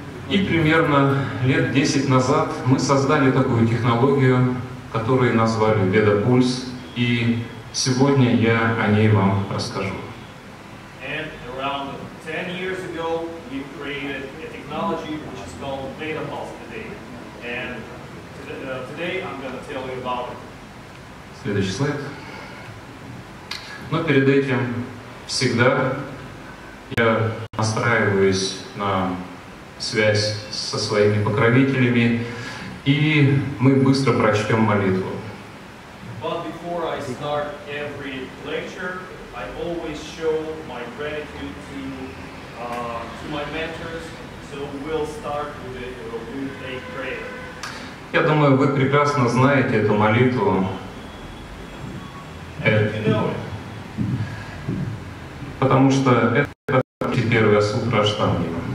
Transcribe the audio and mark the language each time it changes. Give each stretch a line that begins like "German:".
Russian: И примерно лет 10 назад мы создали такую технологию, которую назвали VedaPulse, и сегодня я о ней вам расскажу.
English: And around 10 years ago we created a technology which is called VedaPulse today. And today I'm going to tell you about it.
Russian: Следующий слайд. Но перед этим всегда я настраиваюсь на связь со своими покровителями, и мы быстро прочтем молитву.
English: But before I start every lecture, I always show my gratitude to my mentors, so we'll start with it, we'll do a prayer.
Russian: Я думаю, вы прекрасно знаете эту молитву. Потому что это первая сутра Аштанги.